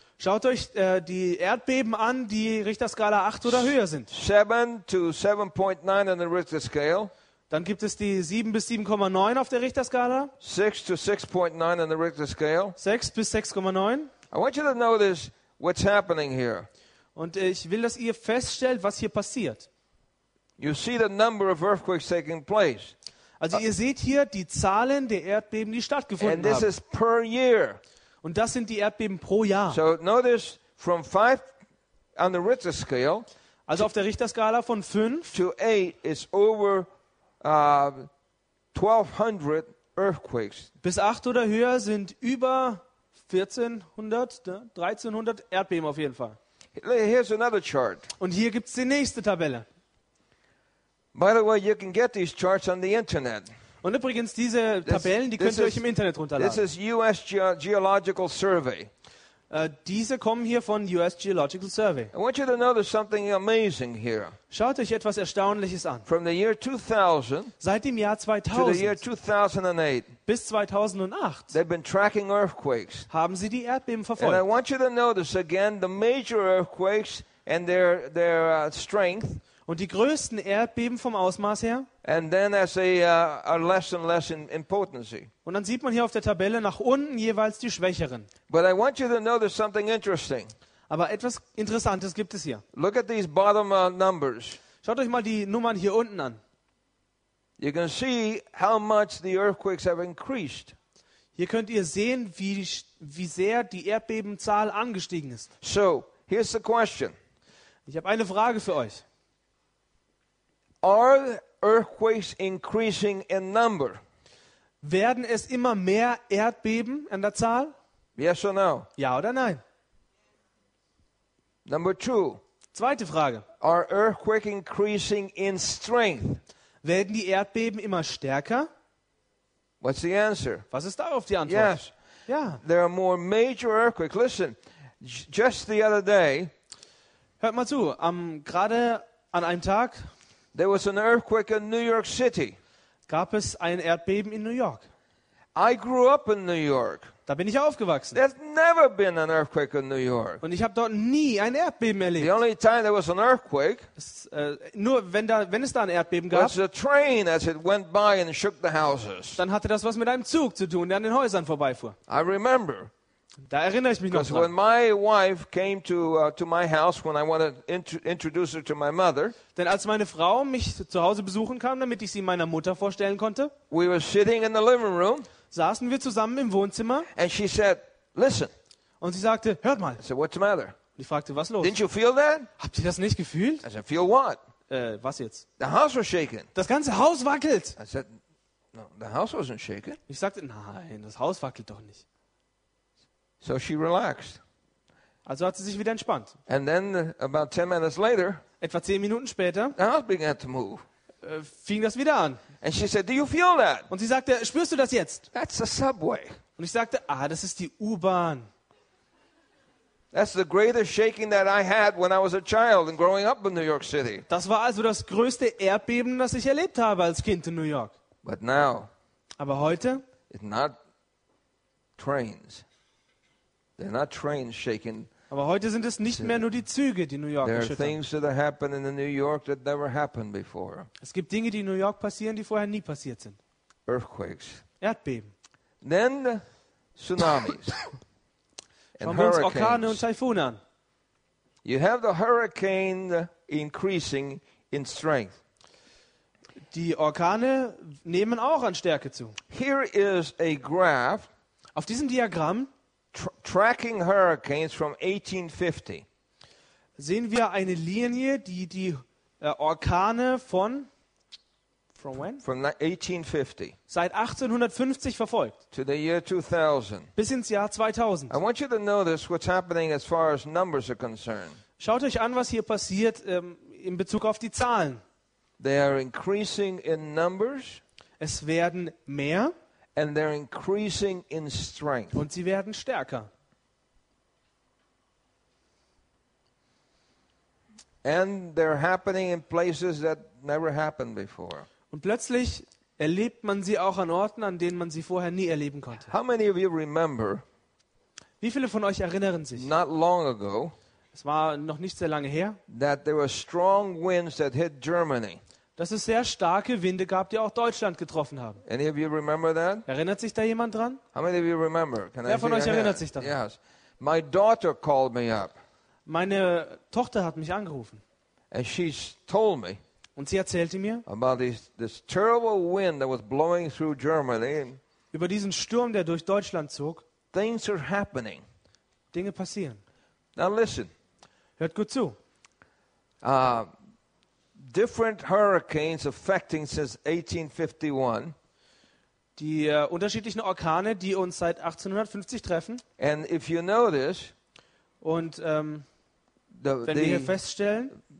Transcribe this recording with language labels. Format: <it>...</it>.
<de>Schaut euch die Erdbeben an, die Richterskala 8 oder höher sind.</de> <en>7 to 7.9 on the Richter scale.</en> <de>Dann gibt es die 7 bis 7,9 auf der Richterskala.</de> <en>6 to 6.9 on the Richter scale.</en> <de>6 bis 6,9.</de> <en>I want you to notice what's happening here.</en> <de>Und ich will, dass ihr feststellt, was hier passiert.</de> <en>You see the number of earthquakes taking place.</en> <de>Also ihr seht hier die Zahlen der Erdbeben, die stattgefunden haben.</de> <en>And this is per year.</en> <de>Und das sind die Erdbeben pro Jahr.</de> <en>So notice from 5 on the Richter scale.</en> <de>Also auf der Richterskala von 5</de> <en>to 8 is over 1200 earthquakes.</en> <de>Bis 8 oder höher sind über 1400, 1300 Erdbeben auf jeden Fall.</de> <en>Here's another chart.</en> <de>Und hier gibt's die nächste Tabelle.</de> <en>By the way, you can get these charts on the internet.</en> <de>Und übrigens, diese Tabellen, die könnt ihr euch im Internet runterladen.</de> <en>This is US Geological Survey.</en> <de>Diese kommen hier von US Geological Survey.</de> <en>I want you to notice something amazing here.</en> <de>Schaut euch etwas Erstaunliches an.</de> <en>From the year 2000,</en> <de>seit dem Jahr 2000</de> <en>to the year 2008,</en> <de>bis 2008</de> <en>they've been tracking earthquakes.</en> <de>Haben sie die Erdbeben verfolgt.</de> <en>And I want you to notice again the major earthquakes and their strength.</en> <de>Und die größten Erdbeben vom Ausmaß her.</de> <en>And then as they are less and less in potency.</en> <de>Und dann sieht man hier auf der Tabelle nach unten jeweils die schwächeren.</de> <en>But I want you to notice something interesting.</en> <de>Aber etwas Interessantes gibt es hier.</de> <en>Look at these bottom numbers.</en> <de>Schaut euch mal die Nummern hier unten an.</de> <en>You can see how much the earthquakes have increased.</en> <de>Hier könnt ihr sehen, wie sehr die Erdbebenzahl angestiegen ist.</de> <en>So, here's the question.</en> <de>Ich habe eine Frage für euch.</de> <en>Are earthquakes increasing in number?</en> <de>Werden es immer mehr Erdbeben an der Zahl?</de> <en>Yes or no?</en> <de>Ja oder nein?</de> <en>Number two.</en> <de>Zweite Frage.</de> <en>Are earthquakes increasing in strength?</en> <de>Werden die Erdbeben immer stärker?</de> <en>What's the answer?</en> <de>Was ist darauf die Antwort?</de> <en>Yes.</en> <de>Ja.</de> <en>There are more major earthquakes. Listen, just the other day.</en> <de>Hört mal zu, gerade an einem Tag.</de> <en>There was an earthquake in New York City.</en> <de>Gab es ein Erdbeben in New York?</de> <en>I grew up in New York.</en> <de>Da bin ich aufgewachsen.</de> <en>There's never been an earthquake in New York.</en> <de>Und ich habe dort nie ein Erdbeben erlebt.</de> <en>The only time there was an earthquake,</en> <de>wenn es da ein Erdbeben gab,</de> <en>was a train as it went by and shook the houses.</en> <de>Dann hatte das was mit einem Zug zu tun, der an den Häusern vorbeifuhr.</de> <en>I remember.</en> <de>Da erinnere ich mich noch.</de> <en>Because when my wife came to my house when I wanted to introduce her to my mother.</en> <de>Denn als meine Frau mich zu Hause besuchen kam, damit ich sie meiner Mutter vorstellen konnte.</de> <en>We were sitting in the living room.</en> <de>Saßen wir zusammen im Wohnzimmer.</de> <en>And she said, "Listen."</en> <de>Und sie sagte, hört mal.</de> <en>I said, "What's the matter?"</en> <de>Und ich fragte, was los?</de> <en>Didn't you feel that?</en> <de>Habt ihr das nicht gefühlt?</de> <en>I said, "Feel what?"</en> <de>Was jetzt?</de> <en>The house was shaking.</en> <de>Das ganze Haus wackelt.</de> <en>I said, No, the house wasn't shaken.</en> <de>Ich sagte, nein, das Haus wackelt doch nicht.</de> <en>So she relaxed.</en> <de>Also hat sie sich wieder entspannt.</de> <en>And then about 10 minutes later,</en> <de>etwa 10 Minuten später,</de> <en>the house began to move.</en> <de>Fing das wieder an.</de> <en>And she said, "Do you feel that?"</en> <de>Und sie sagte, spürst du das jetzt?</de> <en>That's the subway.</en> <de>Und ich sagte, ah, das ist die U-Bahn.</de> <en>That's the greatest shaking that I had when I was a child and growing up in New York City.</en> <de>Das war also das größte Erdbeben, das ich erlebt habe als Kind in New York.</de> <en>But now,</en> <de>aber heute,</de> <en>it's not trains. They're not trains shaking.</en> <de>Aber heute sind es nicht mehr nur die Züge, die New York erschüttern.</de> <en>There are things that are happening in New York that never happened before.</en> <de>Es gibt Dinge, die in New York passieren, die vorher nie passiert sind.</de> <en>Earthquakes.</en> <de>Erdbeben.</de> <en>Then tsunamis.</en> <de>Schauen wir uns Orkane und Taifune an.</de> <en>You have the hurricane increasing in strength.</en> <de>Die Orkane nehmen auch an Stärke zu.</de> <en>Here is a graph.</en> <de>Auf diesem Diagramm</de> <en>tracking hurricanes from 1850.</en> <de>Sehen wir eine Linie, die die Orkane von</de> <en>from when? From 1850.</en> <de>Seit 1850 verfolgt.</de> <en>To the year 2000.</en> <de>Bis ins Jahr 2000.</de> <en>I want you to notice what's happening as far as numbers are concerned.</en> <de>Schaut euch an, was hier passiert in Bezug auf die Zahlen.</de> <en>They are increasing in numbers.</en> <de>Es werden mehr.</de> <en>And they're increasing in strength.</en> <de>Und sie werden stärker.</de> <en>And they're happening in places that never happened before.</en> <de>Und plötzlich erlebt man sie auch an Orten, an denen man sie vorher nie erleben konnte.</de> <en>How many of you remember?</en> <de>Wie viele von euch erinnern sich?</de> <en>Not long ago.</en> <de>Es war noch nicht sehr lange her.</de> <en>That there were strong winds that hit Germany.</en> <de>Dass es sehr starke Winde gab, die auch Deutschland getroffen haben.</de> <en>Any of you remember that?</en> <de>Erinnert sich da jemand dran?</de> <en>How many of you remember? Can</en> <de>Wer von euch erinnert sich daran?</de> <en>Yes. My daughter called me up.</en> <de>Meine Tochter hat mich angerufen.</de> <en>And she told me.</en> <de>Und sie erzählte mir</de> <en>about this terrible wind that was blowing through Germany.</en> <de>Über diesen Sturm, der durch Deutschland zog.</de> <en>Things are happening.</en> <de>Dinge passieren.</de> <en>Now listen.</en> <de>Hört gut zu.</de> <en>Different hurricanes affecting since 1851.</en> <de>Die unterschiedlichen Orkane, die uns seit 1850 treffen.</de> <en>And if you notice,</en> <de>und wenn wir hier feststellen,</de>